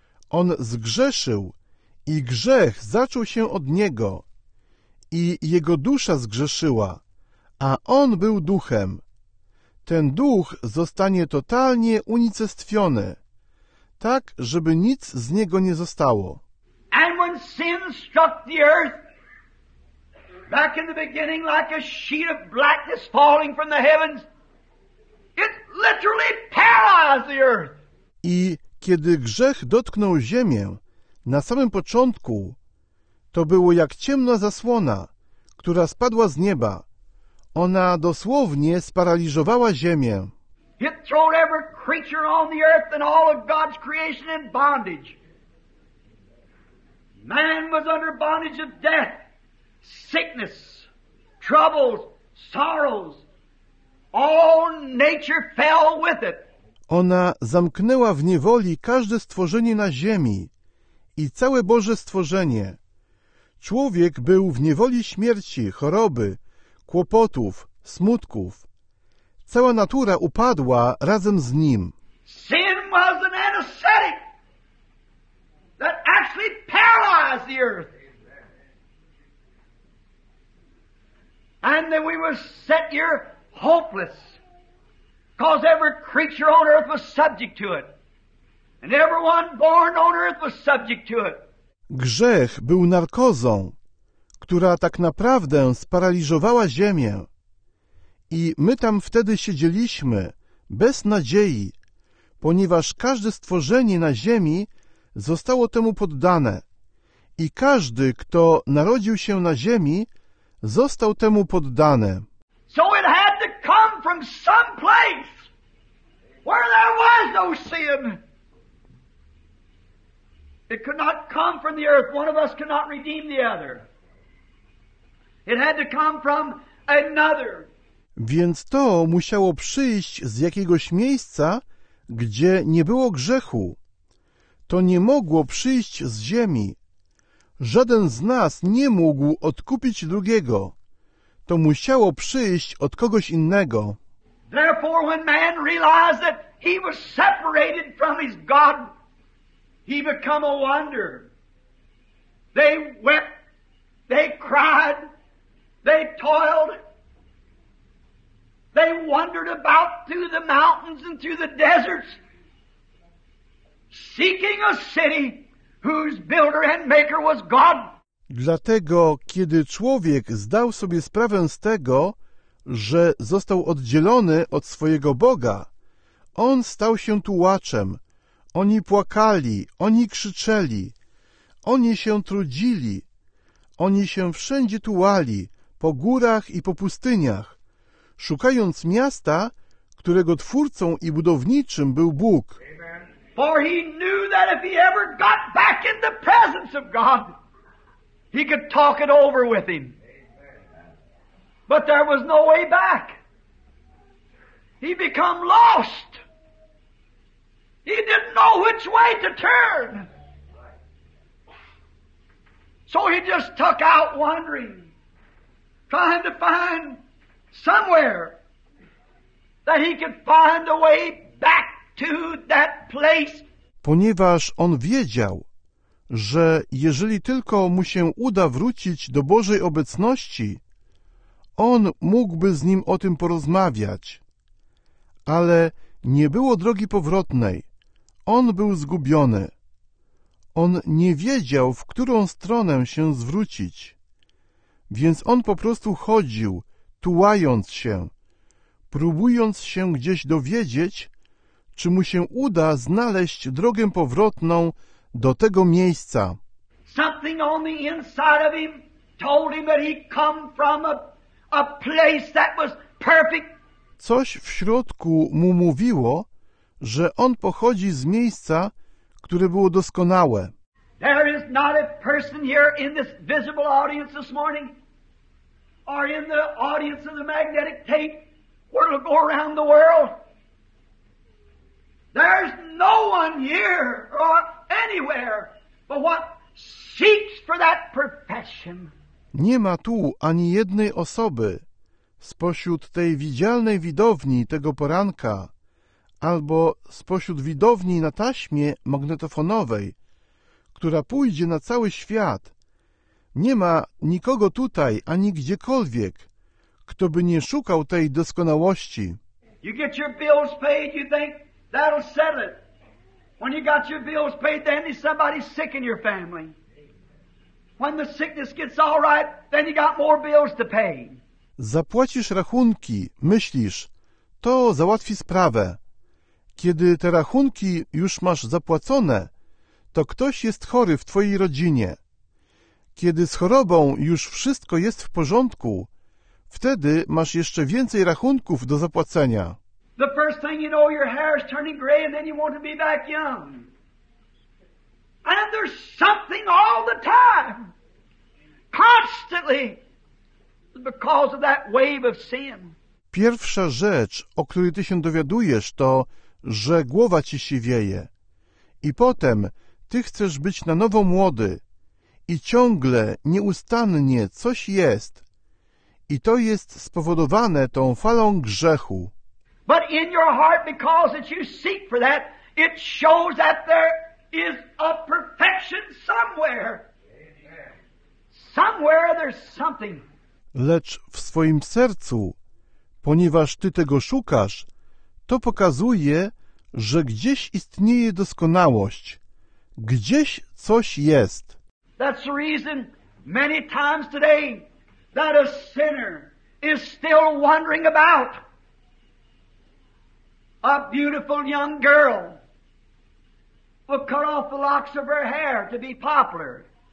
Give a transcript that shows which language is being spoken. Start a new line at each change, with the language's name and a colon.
Polish: On zgrzeszył i grzech zaczął się od niego. I jego dusza zgrzeszyła, a on był duchem. Ten duch zostanie totalnie unicestwiony, tak, żeby nic z niego nie zostało.
English: And when sin struck the earth, back in the beginning, like a sheet of blackness falling from the heavens, it literally paralyzed the earth.
Polish: I kiedy grzech dotknął ziemię, na samym początku, to było jak ciemna zasłona, która spadła z nieba. Ona dosłownie sparaliżowała ziemię.
English: It threw every creature on the earth and all of God's creation in bondage. Man was under bondage of death. Sickness, troubles, sorrows, all nature fell with it.
Polish: Ona zamknęła w niewoli każde stworzenie na ziemi i całe Boże stworzenie. Człowiek był w niewoli śmierci, choroby, kłopotów, smutków. Cała natura upadła razem z nim.
English: Sin was an anesthetic that actually paralyzed the earth. And then we were set here hopeless, because every creature on earth was subject to it, and everyone born on earth was subject to it.
Polish: Grzech był narkozą, która tak naprawdę sparaliżowała ziemię. I my tam wtedy siedzieliśmy bez nadziei, ponieważ każde stworzenie na ziemi zostało temu poddane I każdy, kto narodził się na ziemi, został temu poddany.
English: So it had to come from some place where there was no sin. It could not come from the earth. One of us cannot redeem the other. It had to come from another.
Polish: Więc to musiało przyjść z jakiegoś miejsca, gdzie nie było grzechu. To nie mogło przyjść z ziemi. Żaden z nas nie mógł odkupić drugiego. To musiało przyjść od kogoś innego.
English: Therefore, when man realized that he was separated from his God, he became a wonder. They wept, they cried, they toiled. They wandered about through the mountains and through the deserts, seeking a city whose builder and maker was God.
Polish: Dlatego, kiedy człowiek zdał sobie sprawę z tego, że został oddzielony od swojego Boga, on stał się tułaczem. Oni płakali, oni krzyczeli, oni się trudzili, oni się wszędzie tułali, po górach i po pustyniach, szukając miasta, którego twórcą i budowniczym był Bóg.
English: For he knew that if he ever got back in the presence of God, he could talk it over with him. But there was no way back. He became lost. He didn't know which way to turn. So he just took out wandering, trying to find somewhere that he could find a way back to that place.
Polish: Ponieważ on wiedział, że jeżeli tylko mu się uda wrócić do Bożej obecności, on mógłby z nim o tym porozmawiać. Ale nie było drogi powrotnej. On był zgubiony. On nie wiedział, w którą stronę się zwrócić. Więc on po prostu chodził, tułając się, próbując się gdzieś dowiedzieć, czy mu się uda znaleźć drogę powrotną do tego miejsca.
English: Something on the inside of him told him that he come from a place that was perfect.
Polish: Coś w środku mu mówiło, że on pochodzi z miejsca, które było doskonałe.
English: There is not a person here in this visible audience this morning or in the audience of the magnetic tape where it'll go around the world. There's no one here or anywhere but what seeks for that perfection.
Polish: Nie ma tu ani jednej osoby spośród tej widzialnej widowni tego poranka albo spośród widowni na taśmie magnetofonowej, która pójdzie na cały świat. Nie ma nikogo tutaj ani gdziekolwiek, kto by nie szukał tej doskonałości.
English: You get your bills paid, you think that'll settle it. When you got your bills paid, then there's somebody sick in your family. When the sickness gets all right, then you got more bills to pay.
Polish: Zapłacisz rachunki, myślisz, to załatwi sprawę. Kiedy te rachunki już masz zapłacone, to ktoś jest chory w twojej rodzinie. Kiedy z chorobą już wszystko jest w porządku, wtedy masz jeszcze więcej rachunków do zapłacenia.
English: The first thing you know, your hair is turning gray and then you want to be back young. And there's something all the time, constantly, because of that wave of sin.
Polish: Pierwsza rzecz, o której ty się dowiadujesz, to, że głowa ci się wieje. I potem ty chcesz być na nowo młody i ciągle, nieustannie coś jest. I to jest spowodowane tą falą grzechu.
English: But in your heart, because that you seek for that, it shows that there is a perfection somewhere. Somewhere there's something.
Polish: Lecz w swoim sercu, ponieważ ty tego szukasz, to pokazuje, że gdzieś istnieje doskonałość. Gdzieś coś jest.
English: That's the reason many times today that a sinner is still wandering about. A beautiful young girl will cut off the locks of her hair to be popular.